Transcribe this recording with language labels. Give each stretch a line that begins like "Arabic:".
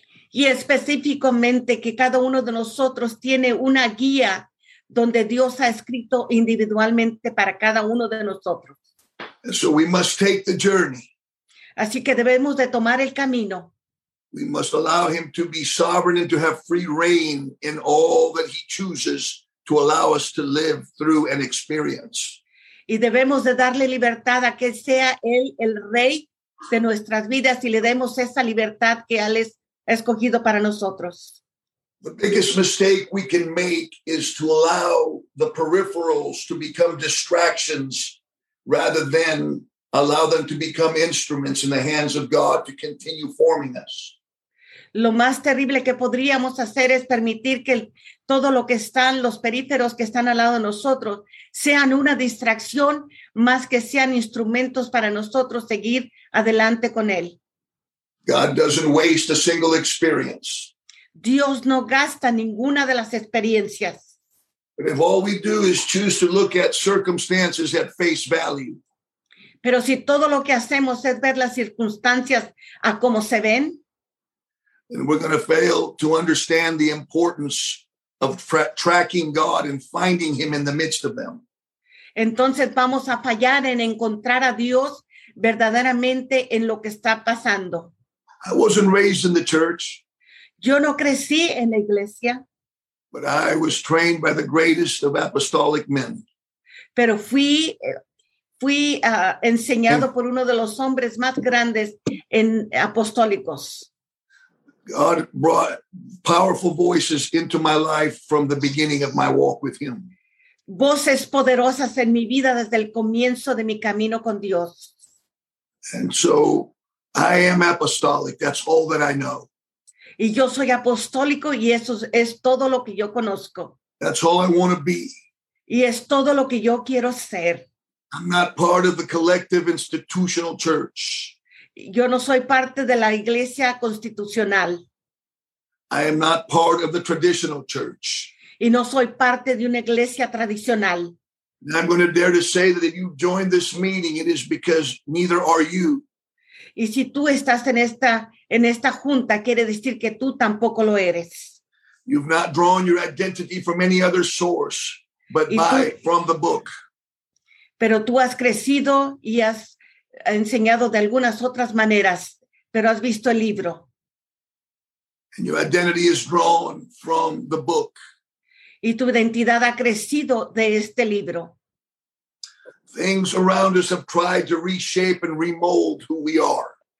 Spanish: Y específicamente que cada uno de nosotros tiene una guía donde Dios ha escrito individualmente para cada uno de nosotros.
English: And so we must take the journey.
Spanish: Así que debemos de tomar el camino.
English: We must allow him to be sovereign and to have free reign in all that he chooses to allow us to live through an experience.
Spanish: Y debemos de darle libertad a que sea él el rey de nuestras vidas y le demos esa libertad que él es escogido para nosotros.
English: The biggest mistake we can make is to allow the peripherals to become distractions rather than Allow them to become instruments in the hands of God to continue forming us.
Spanish: Lo más terrible que podríamos hacer es permitir que todo lo que están, los períferos que están al lado de nosotros, sean una distracción más que sean instrumentos para nosotros seguir adelante con Él.
English: God doesn't waste a single experience.
Spanish: Dios no gasta ninguna de las experiencias.
English: But if all we do is choose to look at circumstances at face value.
Spanish: Pero si todo lo que hacemos es ver las circunstancias a como se ven.
English: Then we're going to fail to understand the importance of tracking God and finding Him in the midst of them.
Spanish: Entonces vamos a fallar en encontrar a Dios verdaderamente en lo que está pasando.
English: I wasn't raised in the church.
Spanish: Yo no crecí en la iglesia.
English: But I was trained by the greatest of apostolic men.
Spanish: Pero fui enseñado por uno de los hombres más grandes en apostólicos.
English: God brought powerful voices into my life from the beginning of my walk with Him.
Spanish: Voces poderosas en mi vida desde el comienzo de mi camino con Dios.
English: And so I am apostolic. That's all that I know.
Spanish: Y yo soy apostólico y eso es todo lo que yo conozco.
English: That's all I want to be.
Spanish: Y es todo lo que yo quiero ser.
English: I'm not part of the collective institutional church.
Spanish: Yo no soy parte de la iglesia constitucional.
English: I am not part of the traditional church.
Spanish: Y no soy parte de una iglesia tradicional.
English: And I'm going to dare to say that if you join this meeting, it is because neither are you.
Spanish: Y si tú estás en esta junta, quiere decir que tú tampoco lo eres.
English: You've not drawn your identity from any other source, but from the book.
Spanish: Pero tú has crecido y has enseñado de algunas otras maneras, pero has visto el libro.
English: And your identity is drawn from the book.
Spanish: Y tu identidad ha crecido de este libro.
English: Things around us have tried to reshape and remold who we are.